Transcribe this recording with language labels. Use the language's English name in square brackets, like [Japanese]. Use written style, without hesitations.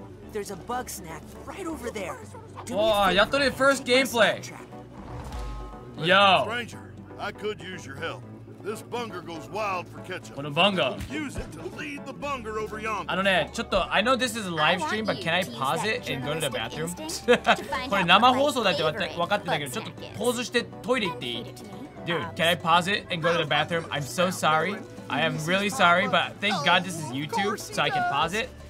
[English] There's a Bugsnax right over there. Oh, y'all thought it first gameplay! Yo! Stranger, I could use your help. This bunger goes wild for ketchup. What a bunga. Use it to lead the bunger over yonder. I don't know. Chotto, I know this is a live stream, but can I pause it and go to the bathroom? [Japanese] これ生放送だって分かってたけど、ちょっとポーズしてトイレ行っていい？ [English] Dude, can I pause it and go to the bathroom? I'm so sorry. I am really sorry, but thank God this is YouTube, so I can pause it.